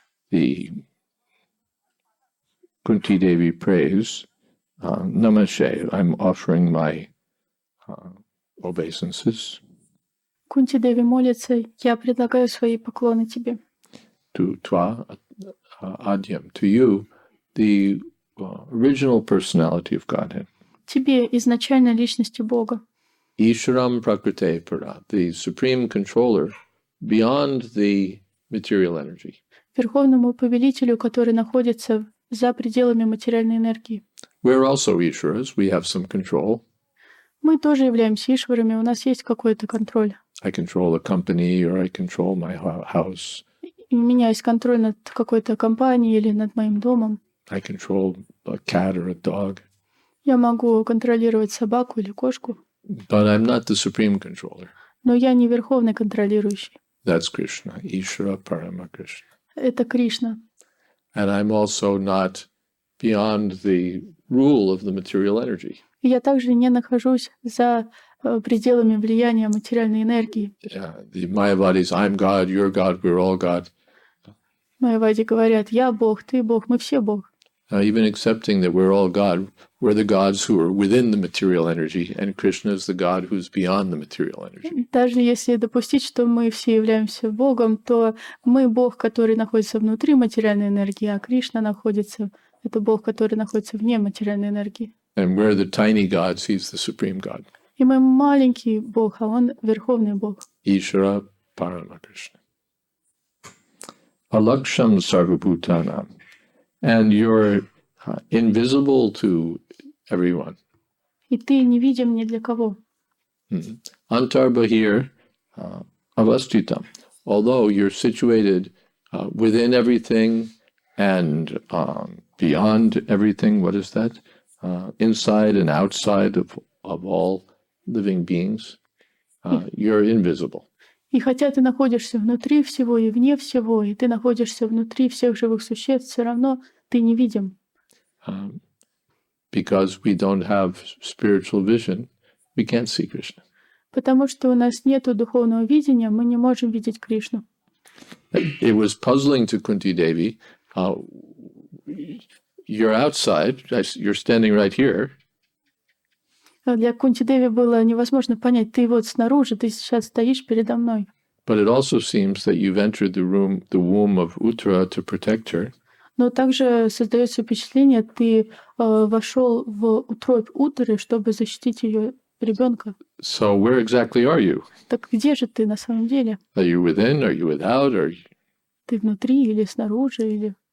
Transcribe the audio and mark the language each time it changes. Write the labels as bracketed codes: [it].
[en] The Kunti Devi prays, Namashe, I'm offering my obeisances. [ru] Kunti Devi молится, я предлагаю свои поклоны тебе. [en] Adyam, to you, the original personality of Godhead. [ru] Тебе, изначальной личности Бога. [sa] Ishram Prakrite Para, [en] the supreme controller beyond the material energy. [ru] Верховному повелителю, который находится за пределами материальной энергии. [en] We're also Ishras, we have some control. [ru] Мы тоже являемся Ишварами, у нас есть какой-то контроль. [en] I control a company or I control my house. [ru] У меня есть контроль над какой-то компанией или над моим домом. [en] I control a cat or a dog. [ru] Я могу контролировать собаку или кошку. [en] But I'm not the supreme controller. [ru] Но я не верховный контролирующий. [en] That's Krishna, [sa] Ishvara Parama Krishna. [ru] Это Кришна. [en] And I'm also not beyond the rule of the material energy. [ru] И я также не нахожусь за пределами влияния материальной энергии. [en] Yeah, the Mayavadis, I'm God, you're God, we're all God. [ru] Майявади говорят, я Бог, ты Бог, мы все Бог. [en] Even accepting that we're all God, we're the gods who are within the material energy, and Krishna is the God who's beyond the material energy. [ru] Даже если допустить, что мы все являемся Богом, то мы Бог, который находится внутри материальной энергии, а Кришна находится, это Бог, который находится вне материальной энергии. [en] And we're the tiny gods, he's the supreme God. [ru] И мы маленький Бог, а он верховный Бог. [sa] Ishvara Parama Krishna. Alaksham Sarvabhutana. [en] And you're invisible to everyone. [ru] И ты невидим ни для кого. [sa] Antar Bahir Avastitam. [en] Although you're situated within everything and beyond everything, what is that? Inside and outside of all living beings, you're invisible. [ru] И хотя ты находишься внутри всего и вне всего, и ты находишься внутри всех живых существ, все равно ты невидим. [en] Because we don't have spiritual vision, we can't see Krishna. [ru] Потому что у нас нету духовного видения, мы не можем видеть Кришну. [en] It was puzzling to Kunti Devi. You're outside. You're standing right here. [ru] Для Кунти Деви было невозможно понять, ты вот снаружи, ты сейчас стоишь передо мной. [en] But it also seems that you've entered the room, the womb of Uttara to protect her. [ru] Но также создается впечатление, ты вошел в утробь Уттары, чтобы защитить ее ребенка. [en] So where exactly are you? [ru] Так где же ты на самом деле? [en] Are you within? Are you without? Are you... [ru] Ты внутри или снаружи, или...